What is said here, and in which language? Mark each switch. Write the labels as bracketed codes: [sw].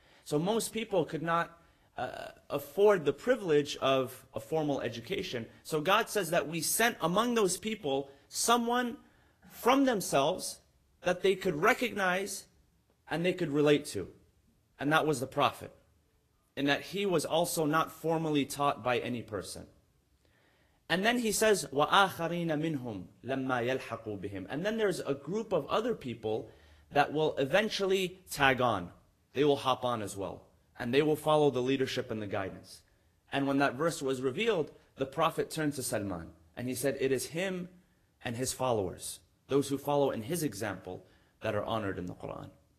[en] So most people could not afford the privilege of a formal education. So God says that we sent among those people someone from themselves that they could recognize and they could relate to. And that was the prophet. In that he was also not formally taught by any person. And then he says, [ar] وَآخَرِينَ مِنْهُمْ لَمَّا يَلْحَقُوا بِهِمْ. [en] And then there's a group of other people that will eventually tag on. They will hop on as well. And they will follow the leadership and the guidance. And when that verse was revealed, the prophet turned to Salman. And he said, it is him and his followers, those who follow in his example, that are honored in the Quran.